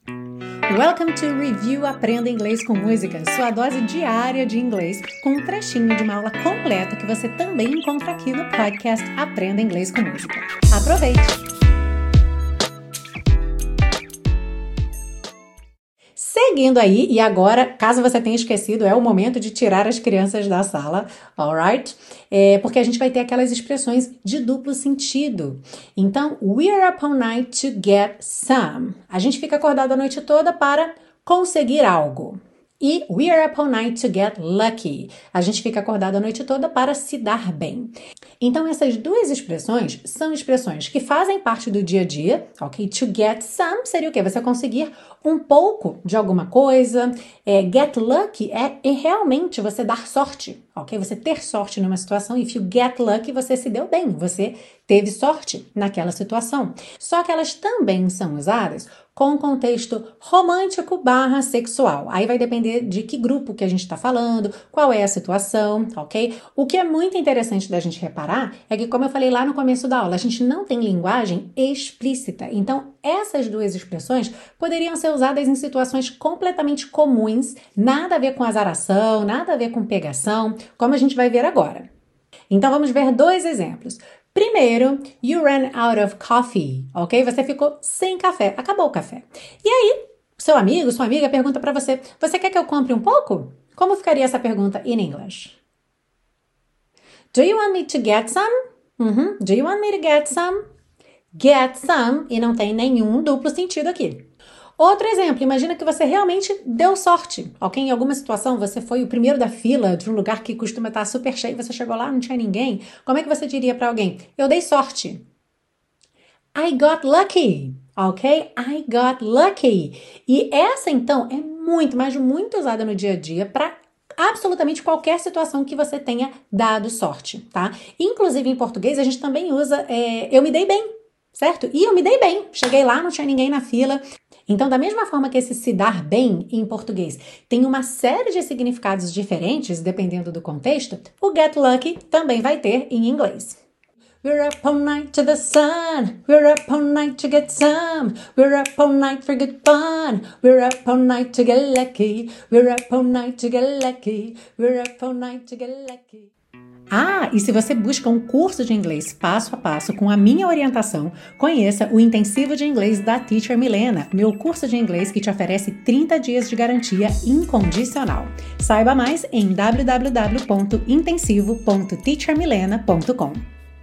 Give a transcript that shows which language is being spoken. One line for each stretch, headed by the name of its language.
English: Welcome to Review
Portuguese: Aprenda Inglês com Música, sua dose diária de inglês, com um trechinho de uma aula completa que você também encontra aqui no podcast Aprenda Inglês com Música. Aproveite! Seguindo aí, e agora, caso você tenha esquecido, é o momento de tirar as crianças da sala,
English: alright?
Portuguese: Porque a gente vai ter aquelas expressões de duplo sentido.
English: Então, we're up all night to get some.
Portuguese: A gente fica acordado a noite toda para conseguir algo.
English: E we're up all night to get lucky.
Portuguese: A gente fica acordado a noite toda para se dar bem. Então, essas duas expressões são expressões que fazem parte do dia a dia, ok?
English: To get some
Portuguese: seria o quê? Você conseguir um pouco de alguma coisa. Get lucky é realmente você dar sorte, ok? Você ter sorte numa situação.
English: If you get lucky,
Portuguese: você se deu bem, você teve sorte naquela situação. Só que elas também são usadas com contexto romântico barra sexual. Aí vai depender de que grupo que a gente está falando, qual é a situação, ok? O que é muito interessante da gente reparar é que, como eu falei lá no começo da aula, a gente não tem linguagem explícita. Então, essas duas expressões poderiam ser usadas em situações completamente comuns, nada a ver com azaração, nada a ver com pegação, como a gente vai ver agora. Então, vamos ver dois exemplos. Primeiro,
English: you ran out of coffee,
Portuguese: ok? Você ficou sem café, acabou o café. E aí, seu amigo, sua amiga pergunta pra você, você quer que eu compre um pouco? Como ficaria essa pergunta
English: in English? Do you want me to get some? Uhum. Do you want me to get some? Get some,
Portuguese: e não tem nenhum duplo sentido aqui. Outro exemplo, imagina que você realmente deu sorte, ok? Em alguma situação você foi o primeiro da fila de um lugar que costuma estar super cheio, você chegou lá e não tinha ninguém. Como é que você diria para alguém? Eu dei sorte.
English: I got lucky,
Portuguese: ok?
English: I got lucky.
Portuguese: E essa, então, é muito, mas muito usada no dia a dia para absolutamente qualquer situação que você tenha dado sorte, tá? Inclusive, em português, a gente também usa eu me dei bem, certo? E eu me dei bem. Cheguei lá, não tinha ninguém na fila. Então, da mesma forma que esse se dar bem em português tem uma série de significados diferentes, dependendo do contexto, o get lucky também vai ter em inglês.
English: We're up all night to the sun, we're up all night to get some, we're up all night for good fun, we're up all night to get lucky, we're up all night to get lucky, we're up all night to get lucky.
Portuguese: Ah, e se você busca um curso de inglês passo a passo com a minha orientação, conheça o Intensivo de Inglês da Teacher Milena, meu curso de inglês que te oferece 30 dias de garantia incondicional. Saiba mais em www.intensivo.teachermilena.com.